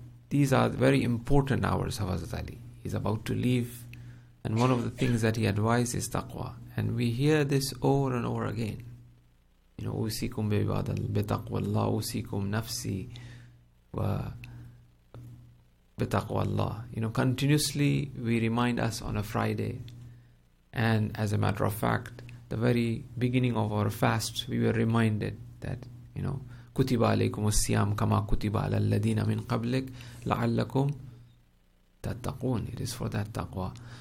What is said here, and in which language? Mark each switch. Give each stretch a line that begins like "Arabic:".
English: These are very important hours of Hazrat Ali. He's about to leave, and one of the things that he advises is taqwa. And we hear this over and over again. You know,
Arabic: أوصيكم بعباد الله بتقوى الله، أوصيكم نفسي و بتقوى الله.
English: You know, continuously we remind us on a Friday. And as a matter of fact, the very beginning of our fast, we were reminded that, you know,
Arabic: كتب عليكم الصيام كما كتب على الذين من قبلك لعلكم تتقون.
English: It is for that taqwa.